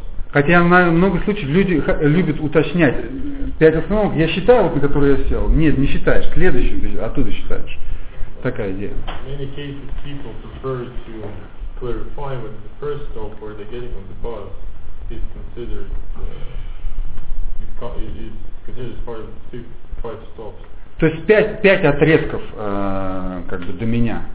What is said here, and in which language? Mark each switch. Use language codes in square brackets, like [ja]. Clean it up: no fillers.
[ru] Хотя на много случаев люди любят уточнять. 5 остановок, я считаю, вот, на которые я сел. Нет, не считаешь, следующую, ты оттуда считаешь. Такая идея. В многих случаях люди любят [en] clarify when the first stop where they're getting on the bus is considered is considered part of the 5 stops. [ru] То есть 5 отрезков как бы до меня.